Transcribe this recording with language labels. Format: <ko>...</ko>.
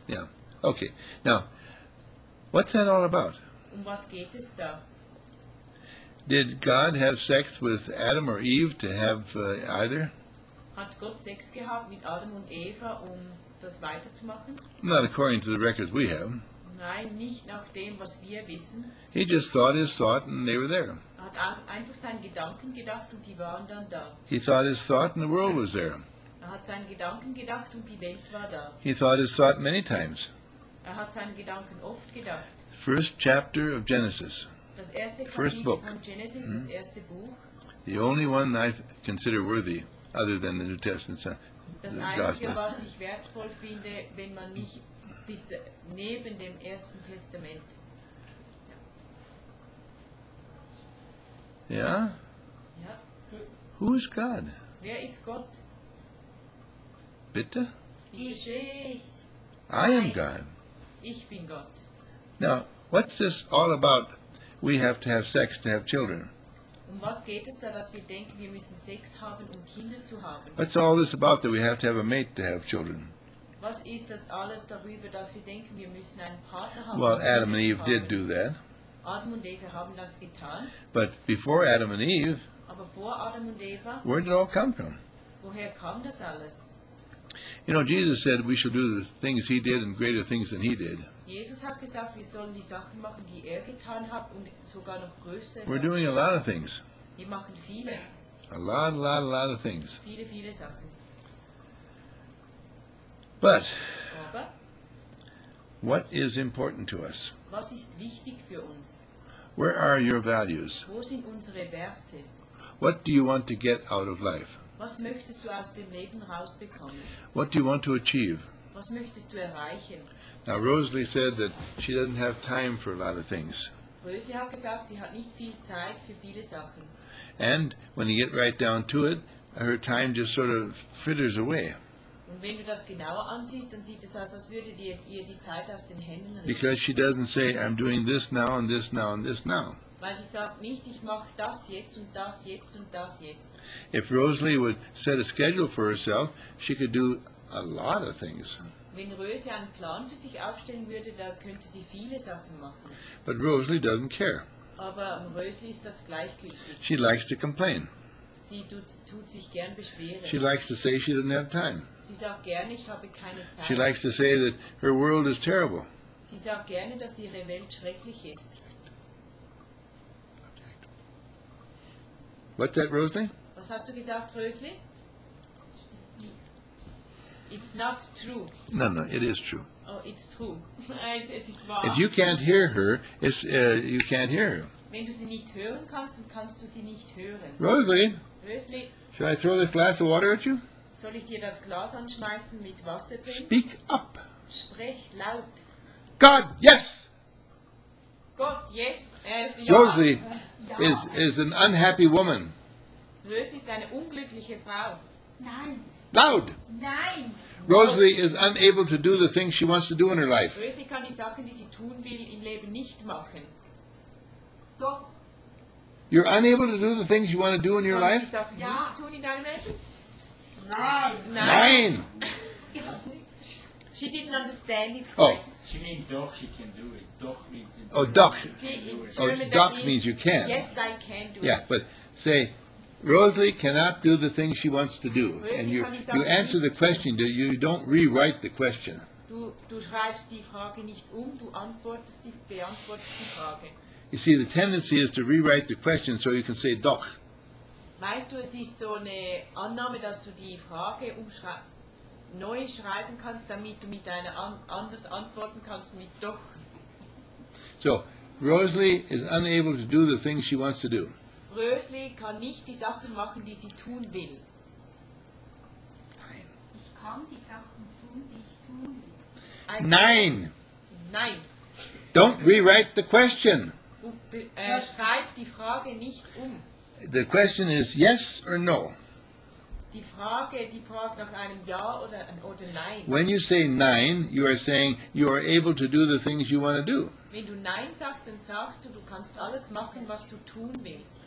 <en>Yeah. Okay. Now, what's that all about?</en> <de>Was geht es da?</de> <en>Did God have sex with Adam or Eve to have either?</en> <de>Hat Gott Sex gehabt mit Adam und Eva, das weiterzumachen?</de> <en>Not according to the records we have.</en> <de>Nein, nicht nach dem, was wir wissen.</de> <en>He just thought his thought and they were there.</en> <de>Hat einfach seinen Gedanken gedacht und die waren dann da.</de> <en>He thought his thought and the world was there.</en> <de>Er hat seinen Gedanken gedacht und die Welt war da.</de> <en>He thought his thought many times.</en> <de>Er hat seinen Gedanken oft gedacht.</de> <en>First chapter of Genesis.</en> <de>Das erste Kapitel</de> <en>First book.</en> <de>Von Genesis, mm-hmm. Das erste Buch.</de> <en>The only one I consider worthy, other than the New Testament.</en> <de>Das</de> <en>the</en> <de>einzige, was ich wertvoll finde, wenn man nicht bis neben dem ersten Testament. Ja? Ja.</de> <en>Who is God?</en> <de>Wer ist Gott? Bitte? Ich.</de> <en>I am God.</en> <de>Ich bin Gott.</de> <en>Now, what's this all about? We have to have sex to have children.</en> <de>Was geht es da, dass wir denken, wir müssen Sex haben, Kinder zu haben?</de> <en>What's all this about that we have to have a mate to have children?</en> <de>Was ist das alles darüber, dass wir denken, wir müssen einen Partner haben?</de> <en>Well, Adam and Eve did do that.</en> <de>Adam und Eva haben das getan.</de> <en>But before Adam and Eve,</en> <de>aber vor Adam und Eva,</de> <en>where did it all come from?</en> <de>Woher kam das alles?</de> <en>You know, Jesus said we should do the things he did and greater things than he did.</en> <de>Jesus hat gesagt, wir sollen die Sachen machen, die getan hat und sogar noch größere.</de> <en>We're doing a lot of things.</en> <de>Wir machen viele.</de> <en>A lot of things.</en> <de>Viele, viele Sachen.</de> <en>But</en> <de>aber,</de> <en>what is important to us?</en> <de>Was ist wichtig für uns?</de> <en>Where are your values?</en> <de>Wo sind unsere Werte?</de> <en>What do you want to get out of life?</en> <de>Was möchtest du aus dem Leben rausbekommen?</de> <en>What do you want to achieve?</en> <de>Was möchtest du erreichen?</de> <en>Now Rosalie said that she doesn't have time for a lot of things.</en> <de>Rosalie hat gesagt, sie hat nicht viel Zeit für viele Sachen.</de> <en>And when you get right down to it, her time just sort of fritters away.</en> <de>Und wenn du das genauer ansiehst, dann sieht es aus, als würde ihr die Zeit aus den Händen rennen.</de> <en>Because she doesn't say, I'm doing this now and this now and this now.</en> <de>Weil sie sagt nicht, ich mache das jetzt und das jetzt und das jetzt.</de> <en>If Rosalie would set a schedule for herself, she could do a lot of things.</en> <de>Wenn Rosalie einen Plan für sich aufstellen würde, dann könnte sie viele Sachen machen.</de> <en>But Rosalie doesn't care.</en> <de>Aber Rosalie ist das gleichgültig.</de> <en>She likes to complain.</en> <de>Sie tut sich gern beschweren.</de> <en>She likes to say she doesn't have time.</en> <de>Sie sagt gerne, ich habe keine Zeit.</de> <en>She likes to say that her world is terrible.</en> <de>Sie sagt gerne, dass ihre Welt schrecklich ist.</de> <en>What's that, Rosalie?</en> <de>Was hast du gesagt, Rosalie?</de> <en>It's not true. No, no, it is true. Oh, it's true.</en> <de>es ist wahr.</de> <en>If you can't hear her, it's you can't hear her.</en> <de>Wenn du sie nicht hören kannst, dann kannst du sie nicht hören.</de> <en>Rosalie, should I throw this glass of water at you?</en> <de>Soll ich dir das Glas anschmeißen mit Wasser drin?</de> <en>Speak up.</en> <de>Sprech laut.</de> <en>God, yes. God, yes. Rosalie is an unhappy woman.</en> <de>Rosalie ist eine unglückliche Frau. Nein.</de> <en>Loud.</en> <de>Nein.</de> <en>Rosalie is unable to do the things she wants to do in her life.</en> <de>Rosalie kann die Sachen, die sie tun will, im Leben nicht machen. Doch.</de> <en>You're unable to do the things you want to do in your life?</en> <de>Ja. Tun in deinem Leben? Nein. Nein.</de> <en>She didn't understand it. Oh. She means doch, she can do it. Doch means oh, doch. Oh, doch means you can. Yes, I can do it. Yeah, but say, Rosalie cannot do the things she wants to do. Rosalie, and you answer the question, you don't rewrite the question.</en> <de>Du schreibst die Frage nicht um, du antwortest die, beantwortest die Frage.</de> <en>You see, the tendency is to rewrite the question so you can say doch.</en> <de>Weißt du, es ist so eine Annahme, dass du die Frage umschreibst. Neu schreiben kannst, damit du mit deiner anders antworten kannst mit doch.</de> <en>So, Rosalie is unable to do the things she wants to do.</en> <de>Rosalie kann nicht die Sachen machen, die sie tun will. Nein. Ich kann die Sachen tun, die ich tun will. Nein. Nein.</de> <en>Don't rewrite the question.</en> <de>Schreib die Frage nicht um.</de> <en>The question is yes or no.</en> <de>Die Frage, die fragt nach einem Ja oder Nein.</de> <en>When you say Nein, you are saying you are able to do the things you want to do.</en> <de>Wenn du Nein sagst, dann sagst du kannst alles machen, was du tun willst.</de>